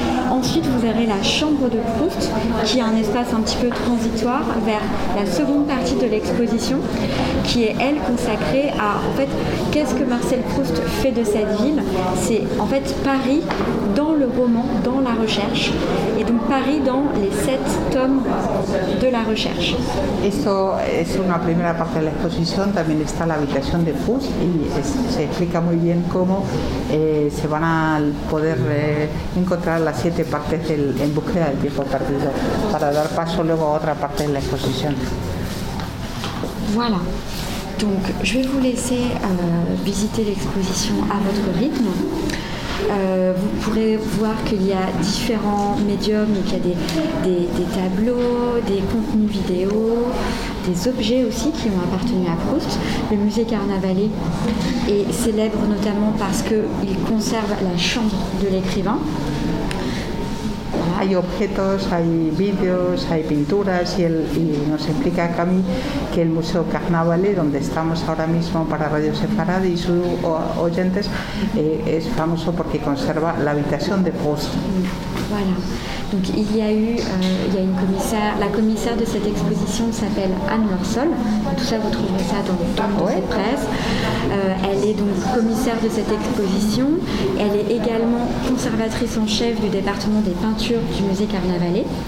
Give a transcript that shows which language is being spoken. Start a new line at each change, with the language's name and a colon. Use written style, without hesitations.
French: Ensuite, vous aurez la chambre de Proust, qui est un espace un petit peu transitoire vers la seconde partie de l'exposition, qui est elle consacrée à en fait, qu'est-ce que Marcel Proust fait de cette ville. C'est en fait Paris dans le roman, dans la recherche, et donc Paris dans les 7 tomes de la recherche.
Spanish: Esto es una primera parte de la exposición, también está la habitación de Proust y se explica muy bien cómo se van a poder encontrar las 7 partes en búsqueda del tiempo perdido para dar paso luego a otra parte de la exposición.
French: Voilà. Donc, je vais vous laisser visiter l'exposition à votre rythme. Vous pourrez voir qu'il y a différents médiums, donc il y a des tableaux, des contenus vidéo, des objets aussi qui ont appartenu à Proust. Le musée Carnavalet est célèbre notamment parce qu'il conserve la chambre de l'écrivain.
Spanish: Hay objetos, hay vídeos, hay pinturas y, nos explica Cami que el Museo Carnavalet, donde estamos ahora mismo para Radio Sefarad y sus oyentes, es famoso porque conserva la habitación de Proust.
French: Voilà. Donc il y a eu, il y a une commissaire, la commissaire de cette exposition s'appelle Anne Lorsol. Tout ça, vous trouverez ça dans le tome de cette presse. Elle est donc commissaire de cette exposition. Elle est également conservatrice en chef du département des peintures du musée Carnavalet.